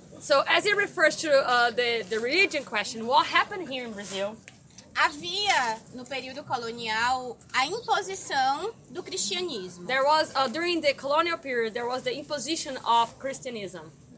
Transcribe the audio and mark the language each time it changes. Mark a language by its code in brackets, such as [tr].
[en] So, as it refers to the religion question, what happened here in Brazil? [pt] Havia, no período colonial, a imposição do cristianismo. [en] There was, during the colonial period, there was the imposition of Christianism.